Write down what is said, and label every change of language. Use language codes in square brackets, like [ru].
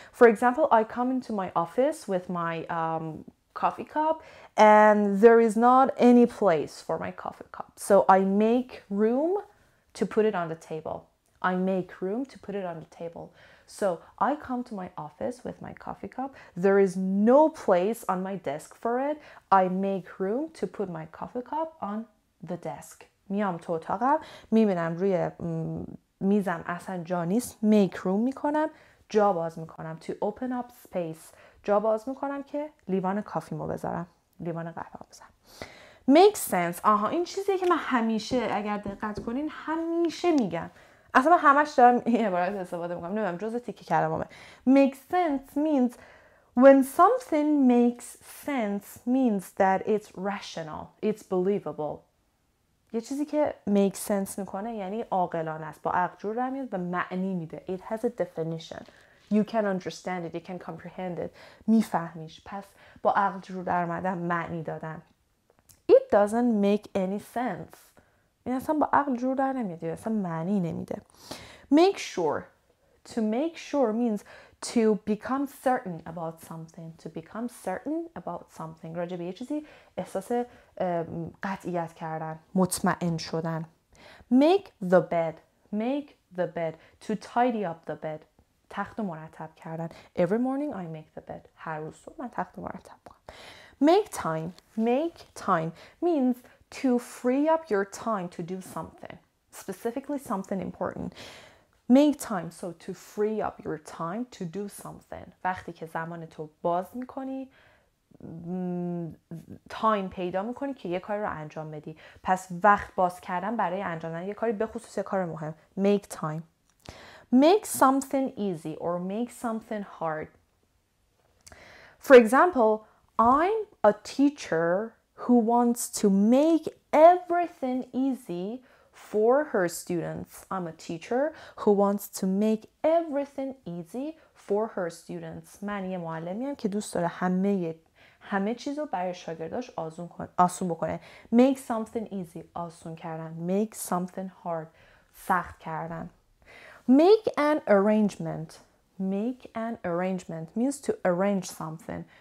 [en] For example, I come into my office with my coffee cup and there is not any place for my coffee cup. So I make room to put it on the table. I make room to put it on the table. So, I come to my office with my coffee cup. There is no place on my desk for it. I make room to put my coffee cup on the desk. [fa] میام تو اتاقم. میبینم روی میزم اصلا جا نیست. [en] Make room میکنم. [fa] جا باز میکنم. [en] To open up space. [fa] جا باز میکنم که لیوان کافی مو بذارم. لیوان قهوه مو بذارم. Make sense. آها این چیزیه که من همیشه اگر دقت کنین همیشه میگم. اصلا من همش دارم این عبارت استفاده میکنم. نمیدونم جزء تیکی کلمامه. [en] Make sense means when something makes sense means that it's rational. It's believable. [fa] یه چیزی که make sense میکنه یعنی عاقلانه است. با عقل جور در میاد و معنی میده. [en] It has a definition. You can understand it. You can comprehend it. [fa] میفهمیش. پس با عقل جور در اومدن معنی دادن. [en] It doesn't make any sense. [fa] این اصلا با عقل جور در نمیده. اصلا معنی نمیده. Make sure. [en] To make sure means to become certain about something. To become certain about something. [fa] راجع به یه چیزی احساس قطعیت کردن. مطمئن شدن. [en] Make the bed. Make the bed. To tidy up the bed. [fa] تخت رو مرتب کردن. [en] Every morning I make the bed. [fa] هر روز صبح من تخت رو مرتب کنم. [en] Make time. Make time means to free up your time to do something, specifically something important. Make time, so to free up your time to do something. [fa] وقتی که زمان تو باز میکنی, time پیدا میکنی که یه کار رو انجام بدی. پس وقت باز کردن برای انجام دادن یه کاری به خصوص یه کار مهم. Make time. [en] make something easy or make something hard. For example, I'm a teacher who wants to make everything easy for her students. I'm a teacher who wants to make everything easy for her students. [fa] من یه معلمی هم که دوست داره همه چیز رو برای شاگرداش آسون بکنه. [en] Make something easy. [fa] آسون کردن. [en] Make something hard. [fa] سخت کردن. [en] Make an arrangement. Make an arrangement means to arrange something.